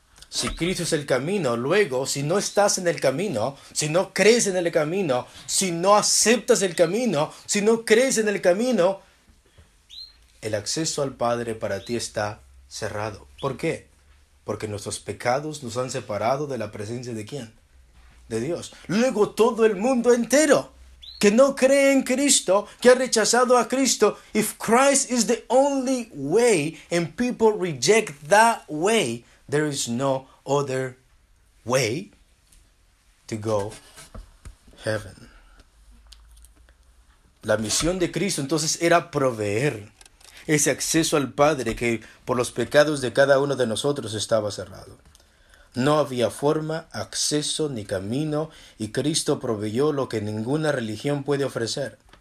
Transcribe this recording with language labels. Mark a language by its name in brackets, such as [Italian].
[Spanish] Si Cristo es el camino, luego, si no estás en el camino, si no crees en el camino, si no aceptas el camino, si no crees en el acceso al Padre para ti está cerrado. ¿Por qué? Porque nuestros pecados nos han separado de la presencia ¿de quién? de Dios. Luego todo el mundo entero que no cree en Cristo, que ha rechazado a Cristo. [English] If Christ is the only way and people reject that way, there is no other way to go heaven. [Spanish] La misión de Cristo entonces era proveer ese acceso al Padre que por los pecados de cada uno de nosotros estaba cerrado. No había forma, acceso ni camino, y Cristo proveyó lo que ninguna religión puede ofrecer.